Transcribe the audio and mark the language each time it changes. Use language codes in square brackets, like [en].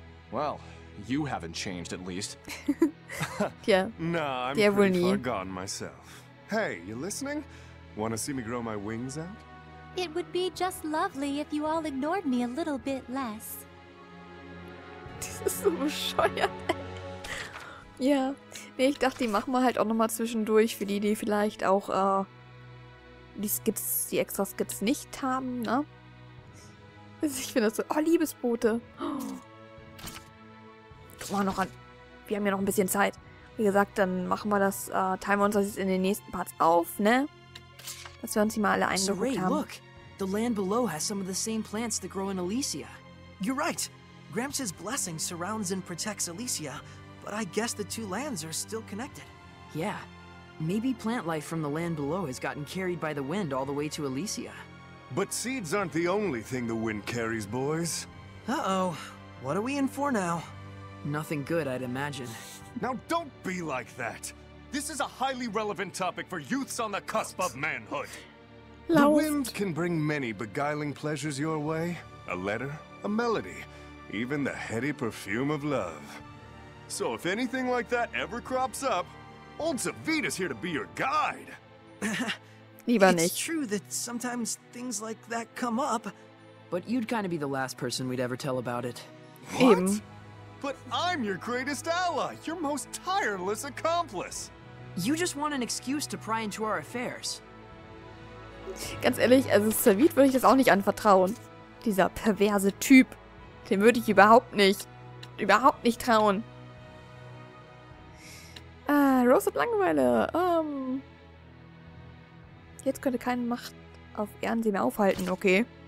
[en] Well, you haven't changed at least. Yeah. Nah, I'm pretty far gone myself. Hey, you listening? Wanna see me grow my wings out? It would be just lovely if you all ignored me a little bit less. [de] Das ist so bescheuert. Ja, nee, ich dachte, die machen wir halt auch nochmal zwischendurch, für die vielleicht auch die extra Skits nicht haben, ne? Ich finde das so, oh, Liebesbote. Oh. Guck mal noch an, wir haben ja noch ein bisschen Zeit. Wie gesagt, dann machen wir das, teilen wir uns das jetzt in den nächsten Parts auf, ne? Dass wir uns hier mal alle eingeguckt haben. [en] Look, the land below has some of the same plants that grow in Alicia. You're right. Gramps' blessing surrounds and protects Alicia. But I guess the two lands are still connected. Yeah. Maybe plant life from the land below has gotten carried by the wind all the way to Alicia. But seeds aren't the only thing the wind carries, boys. Uh-oh. What are we in for now? Nothing good, I'd imagine. Now don't be like that. This is a highly relevant topic for youths on the cusp of manhood. The wind can bring many beguiling pleasures your way. A letter, a melody, even the heady perfume of love. So if anything like that ever crops up, old Savita's here to be your guide. [de] Lieber nicht. [en] It's true that sometimes things like that come up, but you'd kind of be the last person we'd ever tell about it. What? But I'm your greatest ally, your most tireless accomplice. You just want an excuse to pry into our affairs. [de] Ganz ehrlich, also Savita würde ich das auch nicht anvertrauen. Dieser perverse Typ, dem würde ich überhaupt nicht trauen. Rose hat Langeweile. Jetzt könnte keine Macht auf Erden sie mehr aufhalten, okay.